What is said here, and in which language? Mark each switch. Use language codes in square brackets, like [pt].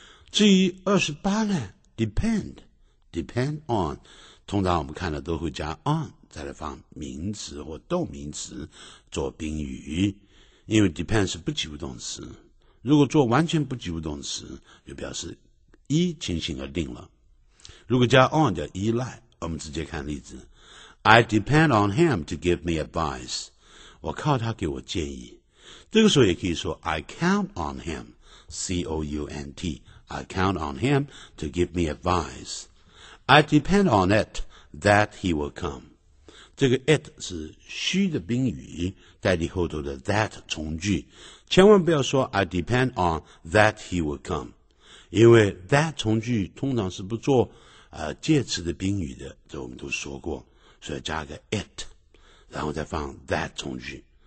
[zh] 至于28呢 ，depend on。通常我们看的都会加 on， 再来放名词或动名词做宾语，因为 depend 是不及物动词，如果做完全不及物动词，就表示依情形而定了。如果加 on 叫依赖，我们直接看例子 ： [en] I depend on him to give me advice。 [zh] 我靠他给我建议。这个时候也可以说 [en] I count on him， C O U N T， I count on him to give me advice。 I depend on it that he will come。 [zh] 这个 it 是虚的宾语，代替后头的 that 从句，千万不要说 [en] I depend on that he will come， [zh] 因为 that 从句通常是不做介词的宾语的，这我们都说过，所以加个 it， 然后再放 that 从句。